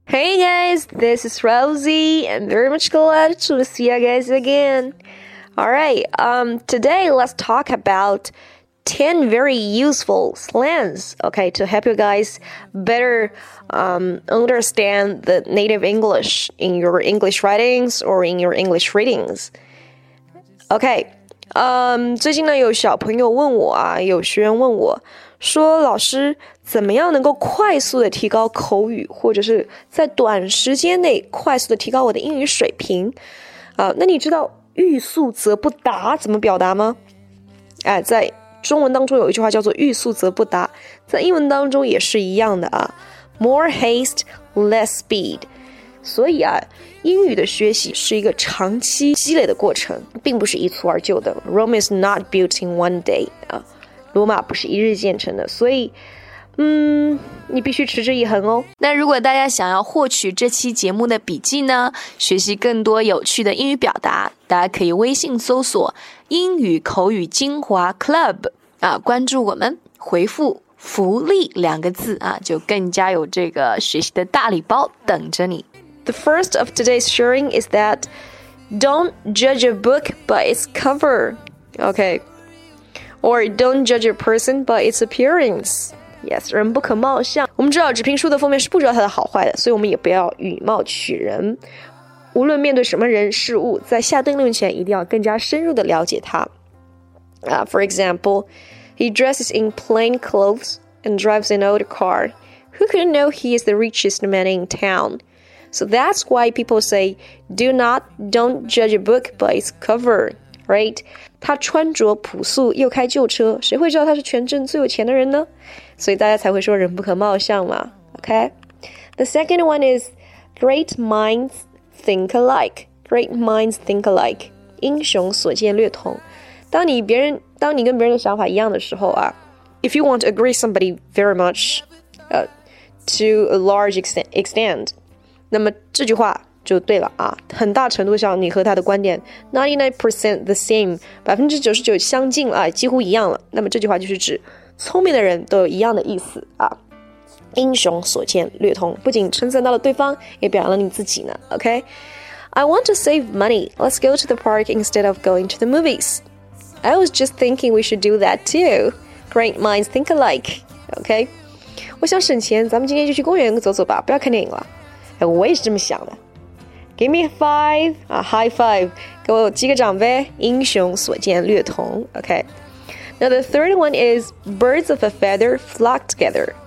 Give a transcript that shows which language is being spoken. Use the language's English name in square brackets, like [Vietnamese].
[English] Hey guys, this is Rosie, and very much glad to see you guys again. Alright, today let's talk about 10 very useful slangs, okay, to help you guys better understand the native English in your English writings or in your English readings. [Chinese] Okay, 最近呢有小朋友问我啊，有学员问我说，老师怎么样能够快速的提高口语，或者是在短时间内快速的提高我的英语水平啊？那你知道欲速则不达怎么表达吗？哎，在中文当中有一句话叫做欲速则不达，在英文当中也是一样的啊， [English] More haste, less speed。 [Chinese] 所以啊，英语的学习是一个长期积累的过程，并不是一蹴而就的。 [English] Rome is not built in one day、啊、 [Chinese] 罗马不是一日建成的。所以你必须持之以恒哦。那如果大家想要获取这期节目的笔记呢，学习更多有趣的英语表达，大家可以微信搜索英语口语精华 Club 啊，关注我们，回复福利两个字啊，就更加有这个学习的大礼包等着你。 [English] The first of today's sharing is that don't judge a book by its cover, okay, or don't judge a person by its appearanceYes, [Chinese] 人不可貌相。我们知道纸评书的封面是不知道它的好坏的，所以我们也不要以貌取人。无论面对什么人事物，在下定论前一定要更加深入地了解它。 [English] For example, he dresses in plain clothes and drives an old car. Who could know he is the richest man in town? So that's why people say, don't judge a book by its cover, right? [Chinese] 他穿着朴素又开旧车，谁会知道他是全镇最有钱的人呢？所以大家才会说人不可貌相嘛， OK? [English] The second one is great minds think alike. Great minds think alike. [Chinese] 英雄所见略同。当你跟别人的想法一样的时候啊， [English] If you want to agree somebody very much, to a large extent, [Chinese] 那么这句话就对了啊，很大程度上你和他的观点 [English] 99% the same, [Chinese] 99% 相近啊，几乎一样了。那么这句话就是指聪明的人都有一样的意思啊，英雄所见略同，不仅称赞到了对方，也表扬了你自己呢。 [English] OK, I want to save money. Let's go to the park instead of going to the movies. I was just thinking we should do that too. Great minds think alike. OK, [Chinese] 我想省钱，咱们今天就去公园走走吧，不要看电影了。我也是这么想的。 [English] Give me a high five. [Chinese] 给我击个掌呗。英雄所见略同。OK. [English] Now the third one is birds of a feather flock together.